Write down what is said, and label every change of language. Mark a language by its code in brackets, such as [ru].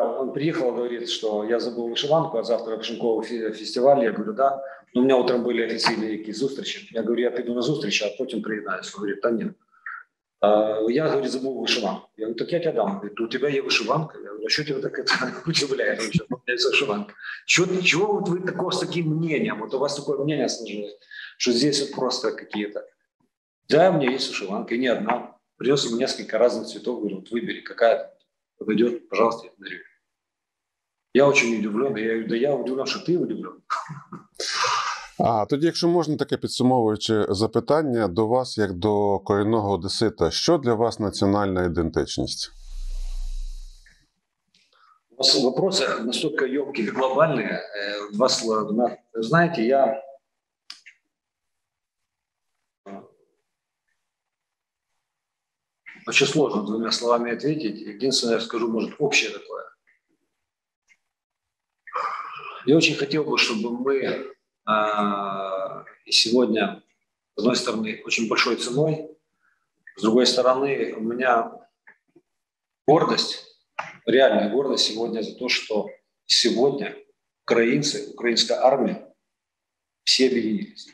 [uk] Він приїхав, говорить, що я забув вишиванку, а завтра вишенковий фестиваль. Я говорю, да. Ну, у мене утром були офіційні якісь зустрічі. Я говорю, я піду на зустріч, а потім приєднаюсь. Він говорить, та ні. [ru] Я, говорит, забыл вышиванку. Я говорю, так я тебе дам. Он говорит, у тебя есть вышиванка. Я говорю, а что тебе так это удивляет? У меня есть вышиванка. Чего вот вы такого с таким мнением? Вот у вас такое мнение сложилось, что здесь вот просто какие-то... Да, у меня есть вышиванка, и не одна. Принес ему несколько разных цветов. Говорю, вот выбери, какая подойдет, пожалуйста, я подарю. Я очень удивлен. Я говорю, да я удивлен, что ты удивлен. [uk] А тоді, якщо можна таке підсумовуюче запитання до вас, як до корінного одесита, що для вас національна ідентичність? У вас питання настільки ємкі, глобальні. Вас, знаєте, я... Дуже складно двома словами відповідати. Єдине, я скажу, може, общее таке. Я дуже хотів би, щоб ми [ru] И сегодня, с одной стороны, очень большой ценой, с другой стороны, у меня гордость, реальная гордость сегодня за то, что сегодня украинцы, украинская армия, все объединились.